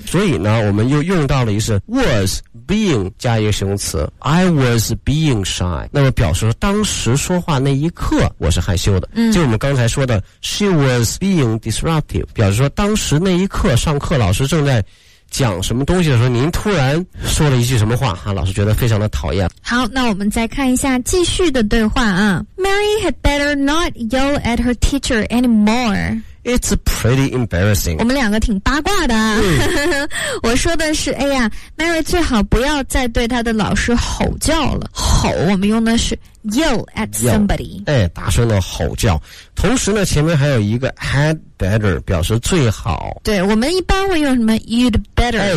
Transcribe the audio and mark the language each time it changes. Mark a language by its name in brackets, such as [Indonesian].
[Chinese] 所以呢我们又用到了一是 was being 加一个形容词 [English] I was being shy， [Chinese] 那么表示说当时说话那一刻我是害羞的。就我们刚才说的 [English] She was being disruptive， [Chinese] 表示说当时那一刻上课老师正在讲什么东西的时候，您突然说了一句什么话啊，老师觉得非常的讨厌。好，那我们再看一下继续的对话啊。 [English] Mary had better not yell at her teacher anymore. It's pretty embarrassing. [Chinese] 我们两个挺八卦的啊。我说的是，哎呀 ，Mary 最好不要再对她的老师吼叫了。吼，我们用的是 [English] yell at somebody。 [Chinese] 哎，大声的吼叫。同时呢，前面还有一个 had better， 表示最好。对，我们一般会用什么 [English] you'd better？